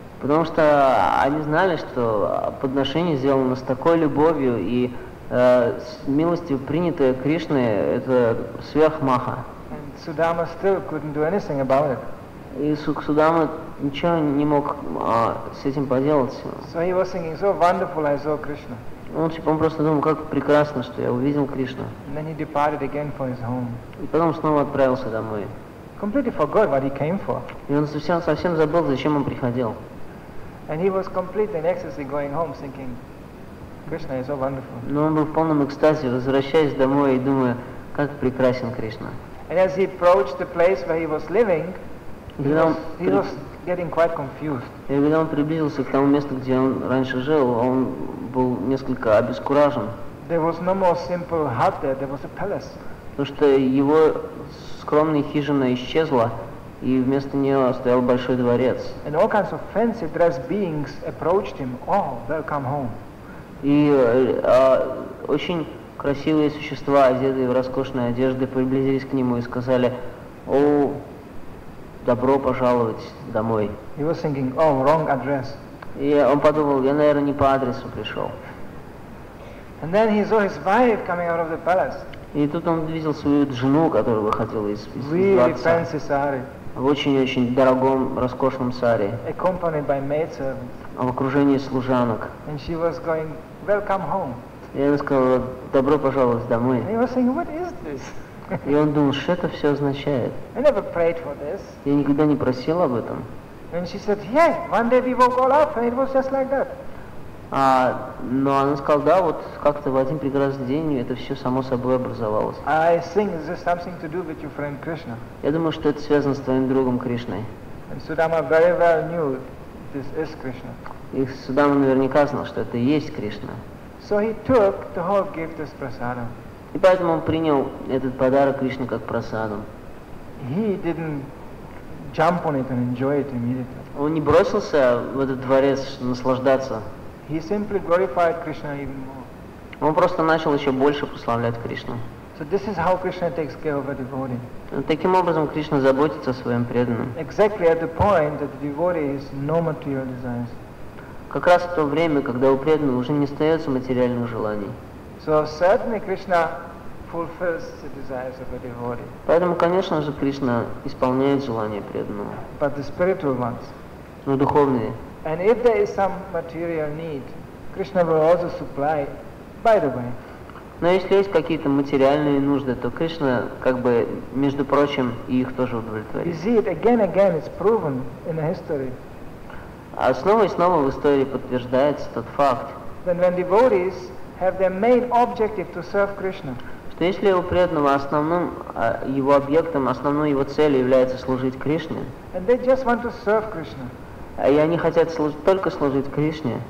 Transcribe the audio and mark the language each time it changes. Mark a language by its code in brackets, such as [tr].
[ru] Потому что они знали, что подношение сделано с такой любовью и с милостью принятое Кришной — это сверхмаха. [en] And Sudama still couldn't do anything about it. [ru] И Судама ничего не мог с этим поделать. [en] So he was thinking, so wonderful, I saw Krishna. [ru] Он просто думал, как прекрасно, что я увидел Кришну. [en] And then he departed again for his home. [ru] И потом снова отправился домой. [en] Completely forgot what he came for. [ru] И он совсем забыл, зачем он приходил. [en] And he was completely in ecstasy going home, thinking, Krishna is so wonderful. [ru] Но он был в полном экстазе, возвращаясь домой и думая, как прекрасен Кришна. [en] And as he approached the place where he was living, he was getting quite confused. [ru] И когда он приблизился к тому месту, где он раньше жил, он был несколько обескуражен. [en] There was no more simple hut there, there was a palace. [ru] Потому что его скромная хижина исчезла, и вместо нее стоял большой дворец. [en] And all kinds of fancy dressed beings approached him. Oh, welcome home. [ru] И очень красивые существа, одетые в роскошные одежды, приблизились к нему и сказали: "О, добро пожаловать домой." [en] He was thinking, "Oh, wrong address." [ru] И он подумал: "Я, наверное, не по адресу пришел." [en] And then he saw his wife coming out of the palace. [ru] И тут он увидел свою жену, которая выходила из дворца. В очень-очень дорогом, роскошном саре. [en] Accompanied by maidservants. [ru] В окружении служанок. [en] And she was going, welcome home. [ru] И она сказала: "Добро пожаловать домой." [en] And he was saying, what is this? [ru] И он думал, что это все означает. [en] I never prayed for this. [ru] Я никогда не просил об этом. [en] And she said, yes, one day we woke all up and it was just like that. [ru] Но она сказала: "Да, вот как-то в один прекрасный день это все само собой образовалось." [en] I think this has something to do with your friend Krishna. [ru] Я думаю, что это связано с твоим другом Кришной. [en] And Sudama very well knew this is Krishna. [ru] И Судама наверняка знал, что это и есть Кришна. [en] So he took the whole gift as prasadam. [ru] И поэтому он принял этот подарок Кришны как прасаду. [en] He didn't jump on it and enjoy it immediately. [ru] Он не бросился в этот дворец наслаждаться. [en] He simply glorified Krishna even more. [ru] Он просто начал еще больше прославлять Кришну. [en] So this is how Krishna takes care of a devotee. [ru] Таким образом Кришна заботится о своем преданном. [en] Exactly at the point that the devotee is no material desires. [ru] Как раз в то время, когда у преданного уже не остается материальных желаний. [en] So certainly Krishna fulfills the desires of a devotee. [ru] Поэтому, конечно же, Кришна исполняет желания преданного. [en] But the spiritual ones. [ru] Но духовные. [en] And if there is some material need, Krishna will also supply. By the way. [ru] Но если есть какие-то материальные нужды, то Кришна, как бы, между прочим, и их тоже удовлетворит. [en] You see, again, it's proven in the history. [ru] А снова и снова в истории подтверждается тот факт, что если у преданного основным его объектом, основной его целью является служить Кришне, [en] and they just want to serve Krishna, [ru] и они хотят только служить Кришне,